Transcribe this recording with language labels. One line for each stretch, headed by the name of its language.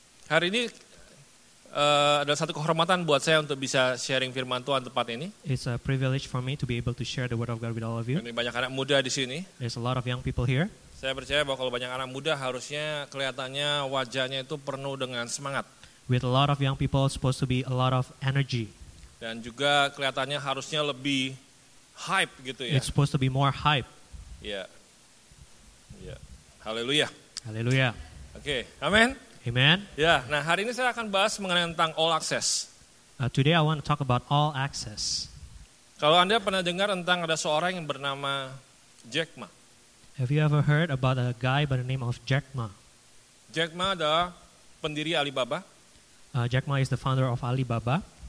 Indonesian: Hari ini adalah satu kehormatan buat saya untuk bisa sharing firman Tuhan tepat ini.
English: It's a privilege for me to be able to share the word of God with all of you.
Indonesian: Ini banyak anak muda di sini.
English: There's a lot of young people here.
Indonesian: Saya percaya bahwa kalau banyak anak muda harusnya kelihatannya wajahnya itu penuh dengan semangat.
English: With a lot of young people supposed to be a lot of energy.
Indonesian: Dan juga kelihatannya harusnya lebih hype gitu ya.
English: It's supposed to be more hype. Yeah. Yeah. Hallelujah. Hallelujah. Oke, okay. Amen. Amen.
Indonesian: Ya, yeah. Nah hari ini saya akan bahas mengenai tentang all access.
English: Today I want to talk about all access.
Indonesian: Kalau Anda pernah dengar tentang ada seorang yang bernama Jack Ma.
English: Have you ever heard about a guy by the name of Jack Ma?
Indonesian: Jack Ma adalah pendiri Alibaba.
English: Jack Ma is the founder of Alibaba.